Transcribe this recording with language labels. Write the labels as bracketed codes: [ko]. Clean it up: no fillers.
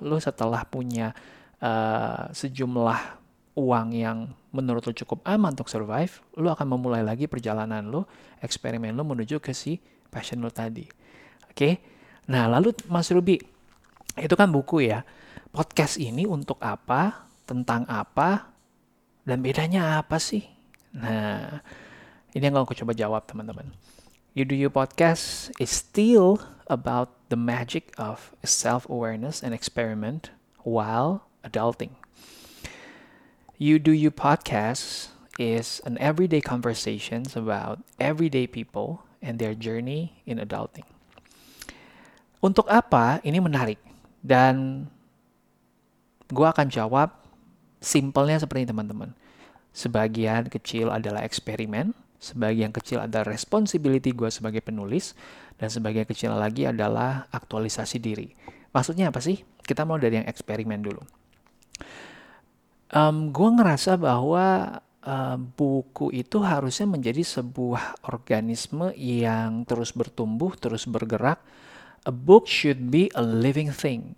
[id] Lu setelah punya sejumlah uang yang menurut lu cukup aman untuk survive, lu akan memulai lagi perjalanan lu, eksperimen lu menuju ke si passion lu tadi. Oke? Okay? Nah, lalu Mas Ruby, itu kan buku ya. Podcast ini untuk apa? Tentang apa? Dan bedanya apa sih? Nah, ini yang aku coba jawab, teman-teman. [en] You Do You podcast is still about the magic of self-awareness and experiment while adulting. You Do You podcast is an everyday conversation about everyday people and their journey in adulting. [id] Untuk apa? Ini menarik. Dan gua akan jawab simpelnya seperti ini, teman-teman. Sebagian kecil adalah eksperimen. Sebagian kecil adalah responsibility gue sebagai penulis, dan sebagian kecil lagi adalah aktualisasi diri. Maksudnya apa sih? Kita mau dari yang eksperimen dulu. Gue ngerasa bahwa buku itu harusnya menjadi sebuah organisme yang terus bertumbuh, terus bergerak. [en] A book should be a living thing.